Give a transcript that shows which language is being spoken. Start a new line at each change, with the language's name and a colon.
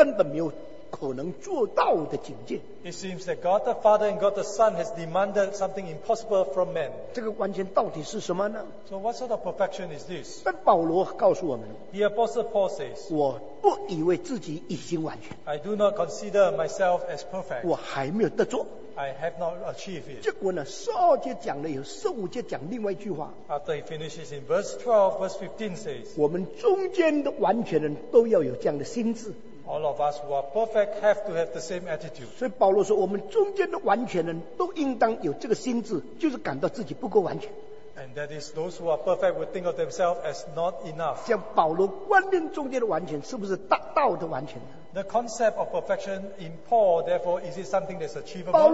Chinese: 这样圣父跟圣子都曾经发了一个要求，是人根本没有可能做到的境界。
English: It seems that God the Father and God the Son has demanded something impossible from men.
Chinese: 这个完全到底是什么呢？
English: So what sort of perfection is this?
Chinese: 但保罗告诉我们，
English: The Apostle Paul says,
Chinese: 我不以为自己已经完全。
English: I do not consider myself as perfect.
Chinese: 我还没有得做。
English: I have not achieved it.
Chinese: 结果呢， 12节讲了以后， 15节讲另外一句话。
English: After he finishes in verse 12, verse 15 says,
Chinese: 我们中间的完全人都要有这样的心智。
English: All of us who are perfect have to have the same attitude.
Chinese: 所以保罗说，我们中间的完全人都应当有这个心智，就是感到自己不够完全。
English: And that is those who are perfect would think of themselves as not enough.
Chinese: 像保罗观念中间的完全，是不是大道的完全？
English: The concept of perfection in Paul, therefore, is it something that's achievable?